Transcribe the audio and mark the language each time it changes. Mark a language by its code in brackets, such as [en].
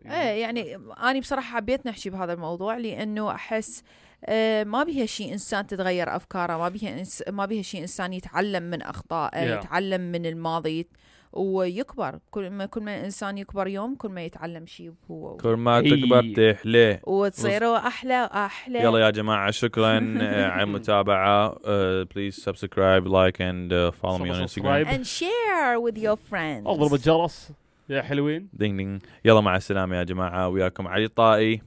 [ar] إيه يعني أنا بصراحة حبيت نحكي بهذا الموضوع، لأنه أحس ما بيها شيء إنسان تتغير أفكاره، ما بيها شيء إنسان يتعلم من أخطائه، يتعلم من الماضي ويكبر. كل ما الإنسان يكبر يوم، كل ما يتعلم شيء هو، كل ما تكبر تحلى وتصيره أحلى أحلى. يلا يا جماعة، شكرا على المتابعة. [en] Please subscribe, like and follow me on Instagram and share with your friends. [ar] أضرب الجرس يا حلوين. دينغ دينغ. يلا مع السلامة يا جماعة، وياكم علي الطائي،